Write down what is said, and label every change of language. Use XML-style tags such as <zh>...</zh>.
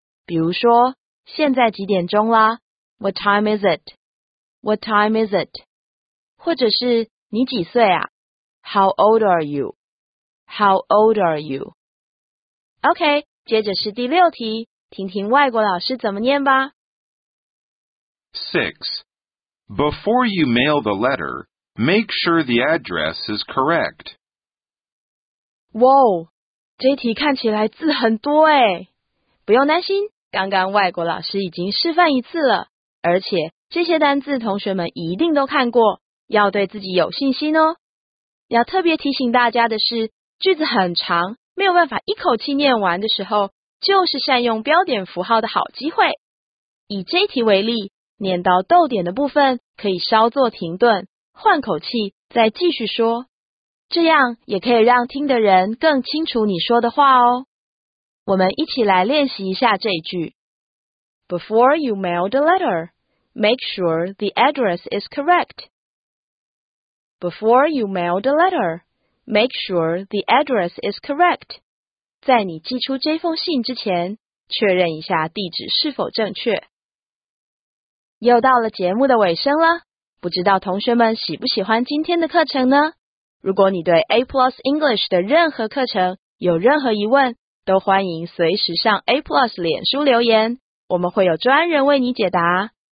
<zh>比如说，现在几点钟啦？</zh> <en>What time is it? What time is it?</en> <zh>或者是，你几岁啊？</zh> <en>How old are you? How old are you?</en> <zh>OK。接着是第六题，听听外国老师怎么念吧。</zh> <en>6. Before you mail the letter, make sure the address is correct.</en> <zh>哇，这题看起来字很多耶。不用担心，刚刚外国老师已经示范一次了，而且这些单字同学们一定都看过，要对自己有信心哦。要特别提醒大家的是，句子很长，没有办法一口气念完的时候，就是善用标点符号的好机会。以这题为例，念到逗点的部分可以稍作停顿，换口气再继续说，这样也可以让听的人更清楚你说的话哦。我们一起来练习一下这一句。</zh> <en>Before you mail the letter, make sure the address is correct. Before you mail the letter,Make sure the address is correct.</en> <zh>在你寄出这封信之前，确认一下地址是否正确。又到了节目的尾声了，不知道同学们喜不喜欢今天的课程呢？如果你对 A Plus English 的任何课程有任何疑问，都欢迎随时上 A Plus 脸书留言，我们会有专人为你解答。</zh>